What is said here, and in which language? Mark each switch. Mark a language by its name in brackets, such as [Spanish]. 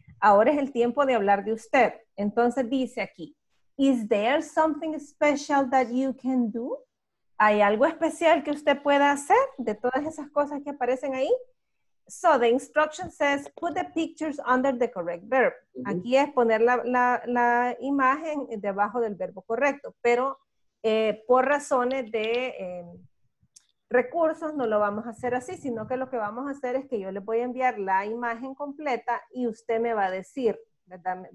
[Spanish] Ahora es el tiempo de hablar de usted. Entonces dice aquí, [English] is there something special that you can do? [Spanish] ¿Hay algo especial que usted pueda hacer de todas esas cosas que aparecen ahí? [English] So the instruction says, put the pictures under the correct verb. Mm-hmm. [Spanish] Aquí es poner la imagen debajo del verbo correcto, pero por razones de recursos no lo vamos a hacer así, sino que lo que vamos a hacer es que yo le voy a enviar la imagen completa y usted me va a decir, ¿verdad?